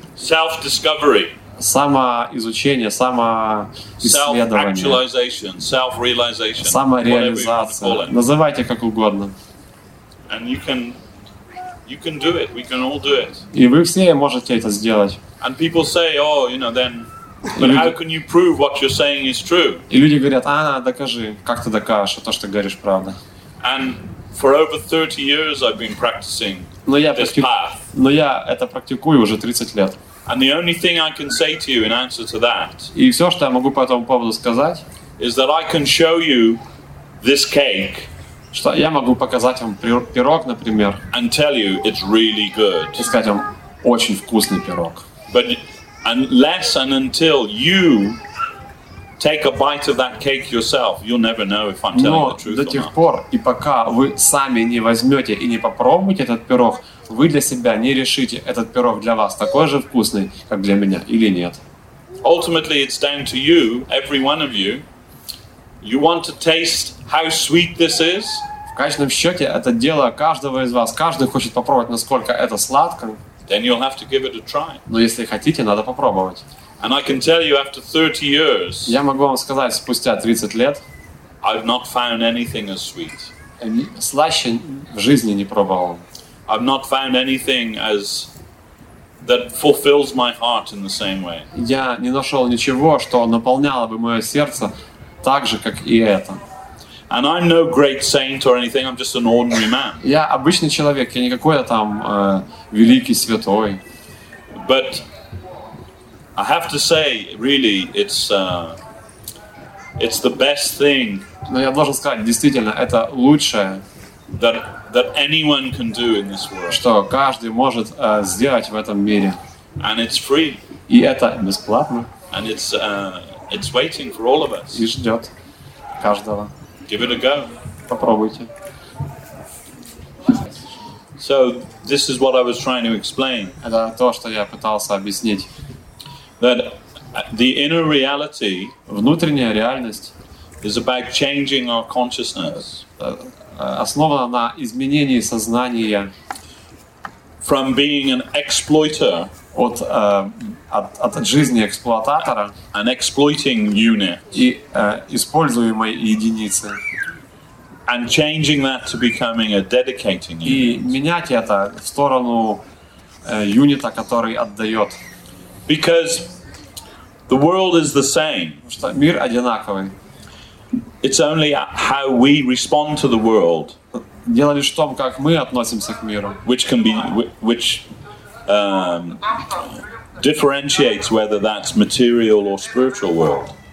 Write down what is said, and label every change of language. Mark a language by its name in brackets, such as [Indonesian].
[English] Self-discovery. [Russian] Самоизучение, самоисследование. [English] Self-actualization, self-realization. [Russian] Самореализация. Называйте как угодно. [English] And you can do it. We can all do it. [Russian] И вы все можете это сделать. [English] And people say, oh, you know, then. But how can you prove what you're saying is true? [Russian] И люди говорят: "А, докажи, как ты докажешь, что то, что говоришь, правда?" [English] And for over 30 years I've been practicing. [Russian] Но я это практикую уже 30 лет. [English] And the only thing I can say to you in answer to that. [Russian] И всё, что я могу по этому поводу сказать, [English] is that I can show you this cake. [Russian] Что я могу показать вам пирог, например. [English] And tell you it's really good. [Russian] И сказать вам: "Очень вкусный пирог." [English] But unless and until you take a bite of that cake yourself, you'll never know if I'm telling the truth or not. [Russian] До тех пор и пока вы сами не возьмете и не попробуете этот пирог, вы для себя не решите, этот пирог для вас такой же вкусный, как для меня, или нет. [English] Ultimately, it's down to you, every one of you. You want to taste how sweet this is? [Russian] В конечном счете, это дело каждого из вас. Каждый хочет попробовать, насколько это сладко. [English] Then you'll have to give it a try. [Russian] Но если хотите, надо попробовать. [English] And I can tell you after 30 years. [Russian] Я могу вам сказать, спустя 30 лет. [English] I've not found anything as sweet. [Russian] Слаще в жизни не пробовал. [English] I've not found anything as that fulfills my heart in the same way. [Russian] Я не нашёл ничего, что наполняло бы моё сердце так же, как и это. [English] And I'm no great saint or anything. I'm just an ordinary man. [Russian] Я обычный человек. Я не какой-то там великий святой. [English] But I have to say, really, it's the best thing. [Russian] Но я должен сказать, действительно, это лучшее. [English] That anyone can do in this world. [Russian] Что каждый может сделать в этом мире. [English] And it's free. [Russian] И это бесплатно. [English] And it's waiting for all of us. [Russian] И ждет каждого. [English] Give it a go. [Russian] Попробуйте. [English] So this is what I was trying to explain. [Russian] Это то, что я пытался объяснить. [English] That the inner reality, [Russian] внутренняя реальность, [English] is about changing our consciousness. [Russian] Основана на изменении сознания. [English] From being an exploiter, [Russian] от жизни эксплуататора, [English] an exploiting unit, [Russian] и используемой единицы. [English] And changing that to becoming a dedicating unit. [Russian] И менять это в сторону юнита, который отдает. [English] Because the world is the same. [Russian] Потому что мир одинаковый. [English] It's only how we respond to the world. [Russian] Дело лишь в том, как мы относимся к миру. [English] Which can be which differentiates whether that's material or spiritual world.